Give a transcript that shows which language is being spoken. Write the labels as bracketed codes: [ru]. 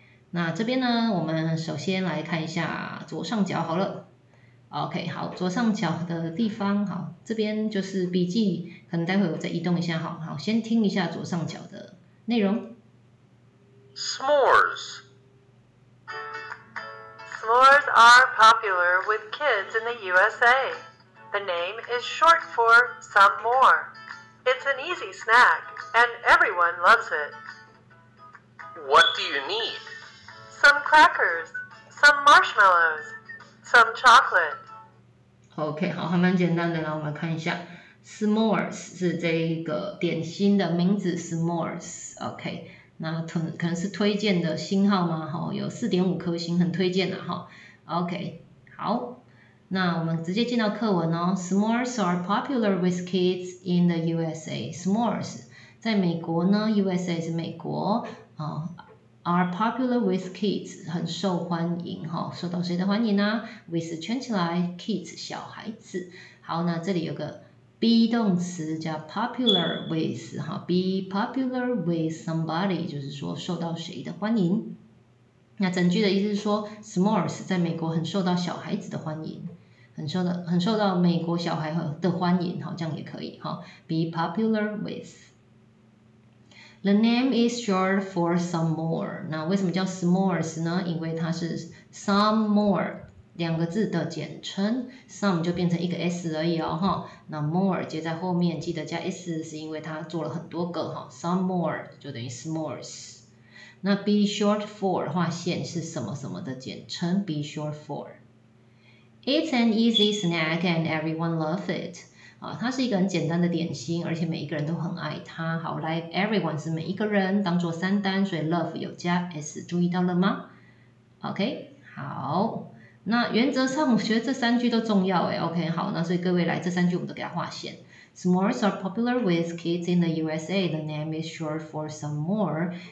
[zh] 那这边呢，我们首先来看一下左上角好了。 OK， 好，左上角的地方，好，这边就是笔记，可能待会我再移动一下，好，好，先听一下左上角的内容。 [en] S'mores. S'mores are popular with kids in the USA. The name is short for some more. It's an easy snack, and everyone loves it. What do you need? Some crackers, some marshmallows, some chocolate. [zh] OK， 好，还蛮简单的。来，我们来看一下 ，s'mores 是这一个点心的名字 ，s'mores。 OK， 那可能是推荐的星号吗？哈，有 4.5 颗星，很推荐的哈。OK， 好，那我们直接进到课文哦。 [en] S'mores are popular with kids in the USA. [zh] S'mores 在美国呢 ，USA 是美国啊。 [en] Are popular with kids [zh] 很受欢迎哈，受到谁的欢迎呢 ？With 圈起来 ，kids 小孩子。好，那这里有个 be 动词叫 popular with 哈 ， [en] be popular with somebody [zh] 就是说受到谁的欢迎。那整句的意思是说 ，s'mores 在美国很受到小孩子的欢迎，很受到美国小孩的欢迎哈，这样也可以哈 ， [en] be popular with。 The name is short for some more. [zh] 那为什么叫 s'mores 呢？因为它是 [en] some more [zh] 两个字的简称， some 就变成一个 s 而已哦，哈。那 more 接在后面，记得加 s， 是因为它做了很多个哈。 [en] Some more [zh] 就等于 s'mores。 那 [en] be short for [zh] 划线是什么什么的简称 ？ [en] Be short for. It's an easy snack and everyone loves it. [zh] 啊，它是一个很简单的点心，而且每一个人都很爱它。好，来 ，everyone 是每一个人，当做三单，所以 love 有加 s， 注意到了吗 ？OK， 好，那原则上我觉得这三句都重要哎。 OK， 好，那所以各位来，这三句我们都给它划线。 [en] S'mores are popular with kids in the USA. The name is short for some more.